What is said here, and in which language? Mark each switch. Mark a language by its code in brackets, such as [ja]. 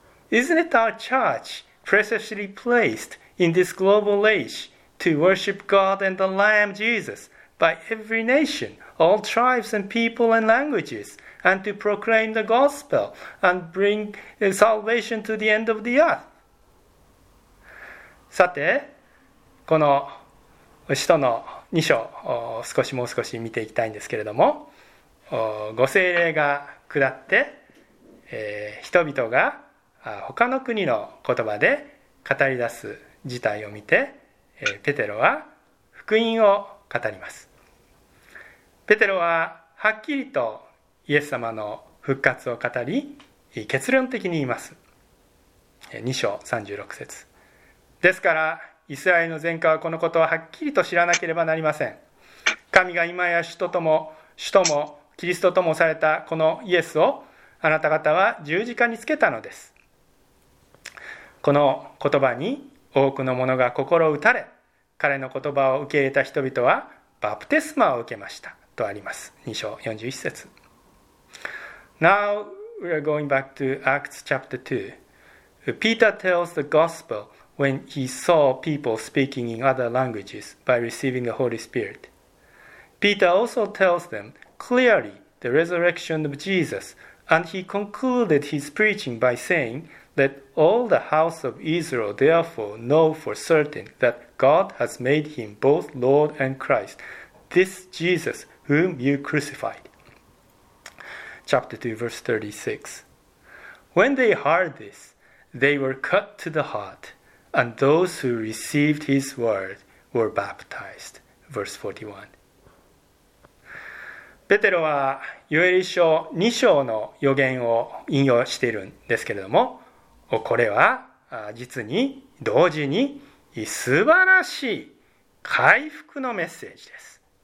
[en] Isn't it our church preciously placed in this global age to worship God and the Lamb Jesus by every nation, all tribes and people and languages, and to proclaim the gospel and bring salvation to the end of the earth? [ja] さて、この使徒の2章を少しもう少し見ていきたいんですけれども、御聖霊が下って、人々が他の国の言葉で語り出す事態を見て、ペテロは福音を語ります。ペテロははっきりとイエス様の復活を語り、結論的に言います。 2章36節ですから、イスラエルの前科はこのことははっきりと知らなければなりません。神が今や主ともキリストともされたこのイエスをあなた方は十字架につけたのです。この言葉に多くの者が心打たれ、彼の言葉を受け入れた人々はバプテスマを受けましたとあります。 2章41節 [en] Now we are going back to Acts chapter 2. Peter tells the gospel when he saw people speaking in other languages by receiving the Holy Spirit. Peter also tells them clearly the resurrection of Jesus, and he concluded his preaching by saying, Let all the house of Israel therefore know for certain that God has made him both Lord and Christ, this Jesus whom you crucified. Chapter 2, verse 36. When they heard this, they were cut to the heart, and those who received his word were baptized. Verse 41. [ja] ペテロはヨエル書2章の予言を引用しているんですけれども、これは実に同時に素晴らしい回復のメッセージです。